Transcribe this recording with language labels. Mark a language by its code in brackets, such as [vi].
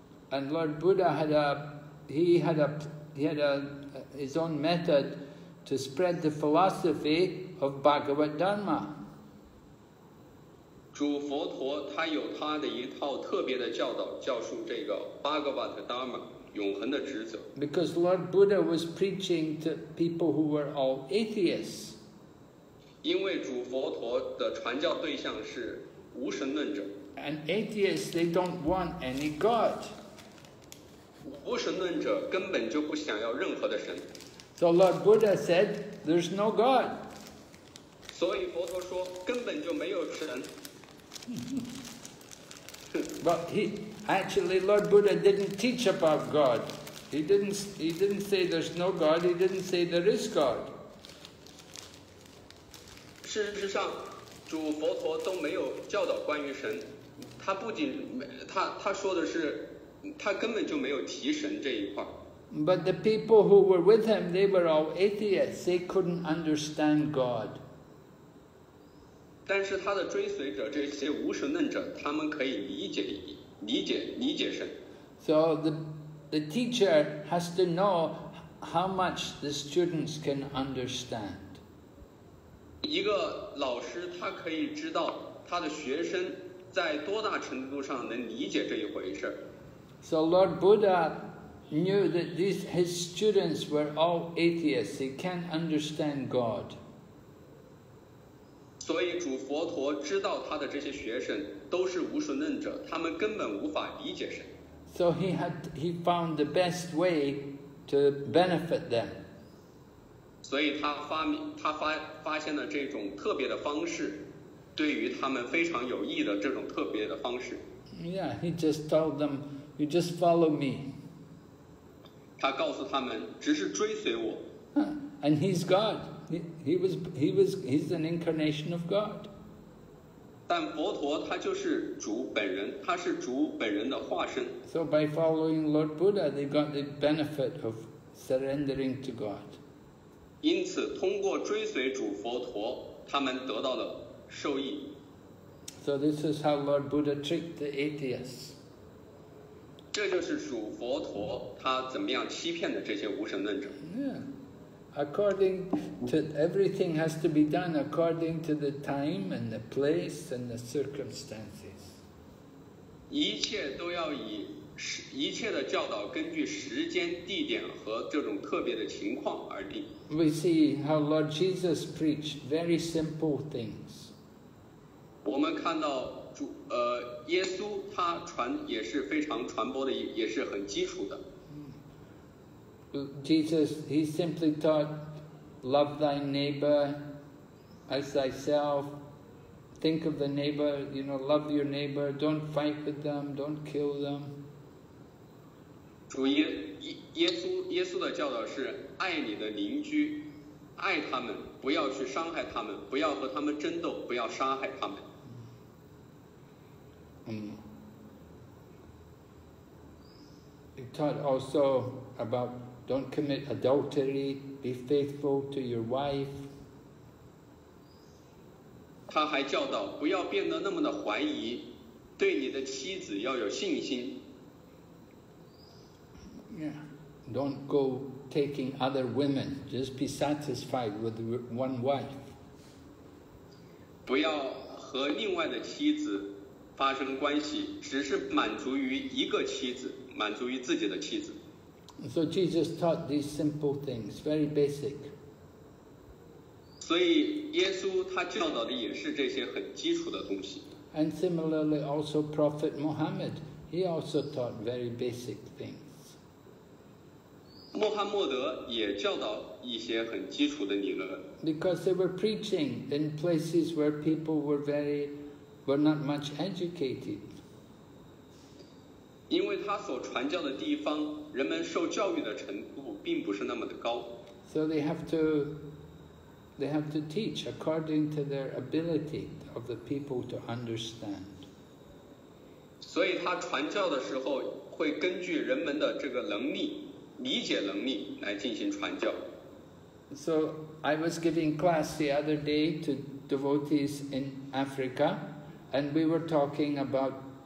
[en] And Lord Buddha had a, his own method to spread the philosophy of Bhagavad Dharma. [zh] 主佛陀他有他的一套特别的教导，教授这个 Bhagavad Dharma 永恒的职责。 [en] Because Lord Buddha was preaching to people who were all atheists. [zh] 因为主佛陀的传教对象是无神论者。 [en] And atheists, they don't want any God. [zh] 无神论者根本就不想要任何的神。 [en] So Lord Buddha said, "There's no God." [zh] 所以佛陀说根本就没有神。 [en] But he actually, Lord Buddha didn't teach about God. He didn't say there's no God. He didn't say there is God. [zh] 事实上，主佛陀都没有教导关于神。他不仅他说的是，他根本就没有提神这一块。 [en] But the people who were with him, they were all atheists. They couldn't understand God. [zh] 但是他的追随者，这些无神论者，他们可以理解神。 [en] So the teacher has to know how much the students can understand. [zh] 一个老师他可以知道他的学生在多大程度上能理解这一回事。 [en] So Lord Buddha knew that his students were all atheists. They can't understand God. [zh] 所以主佛陀知道他的这些学生都是无神论者，他们根本无法理解神。 [en] So he found the best way to benefit them. [zh] 所以他发现了这种特别的方式，对于他们非常有益的这种特别的方式。 [en] Yeah, he just told them, "You just follow me." [zh] 他告诉他们，只是追随我。 [en] And he's God. He's an incarnation of God. [zh] 但佛陀他就是主本人，他是主本人的化身。 [en] So by following Lord Buddha, they got the benefit of surrendering to God. [zh] 因此，通过追随主佛陀，他们得到了受益。 [en] So this is how Lord Buddha tricked the atheists. [zh] 这就是主佛陀他怎么样欺骗的这些无神论者。 [en] According to everything has to be done according to the time and the place and the circumstances. [zh] 一切的教导根据时间、地点和这种特别的情况而定。 [en] We see how Lord Jesus preached very simple things. [zh] 我们看到耶稣他传也是非常传播的，也是很基础的。 [en] Jesus, he simply taught, love thy neighbor as thyself. Think of the neighbor, you know, love your neighbor. Don't fight with them. Don't kill them. [zh] 主耶稣的教导是爱你的邻居，爱他们，不要去伤害他们，不要和他们争斗，不要杀害他们。 [en] He taught also about. Don't commit adultery. Be faithful to your wife. [zh] 他还教导不要变得那么的怀疑，对你的妻子要有信心。 [en] Yeah. Don't go taking other women. Just be satisfied with one wife. [zh] 不要和另外的妻子发生关系，只是满足于一个妻子，满足于自己的妻子。 [en] So Jesus taught these simple things, very basic. [zh] 所以耶稣他教导的也是这些很基础的东西。 [en] And similarly, also Prophet Muhammad, he also taught very basic things. [zh] 穆罕默德也教导一些很基础的理论。 [en] Because they were preaching in places where people were not much educated. [zh] 因为他所传教的地方，人们受教育的程度并不是那么的高。 [en] So they have to teach according to their ability of the people to understand. [zh] 所以他传教的时候会根据人们的这个能力、理解能力来进行传教。 [en] So I was giving class the other day to devotees in Africa, and we were talking about.